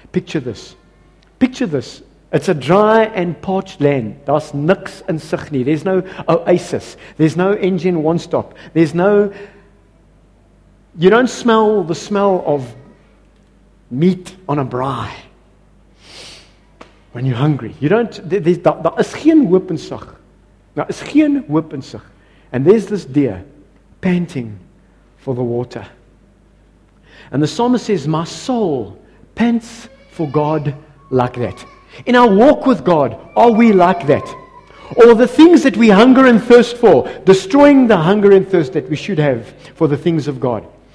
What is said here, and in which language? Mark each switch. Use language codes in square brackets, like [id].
[en] Picture this. Picture this. It's a dry and parched land. [af] Das niks in sig nie. [en] There's no oasis. There's no engine one stop. There's no... You don't smell the smell of meat on a braai when you're hungry. You don't... There is [af] geen hoop in sig. There is geen hoop in sig. [en] And there's this deer panting for the water. And the psalmist says, my soul pants for God like that. In our walk with God, are we like that? Or the things that we hunger and thirst for, destroying the hunger and thirst that we should have for the things of God?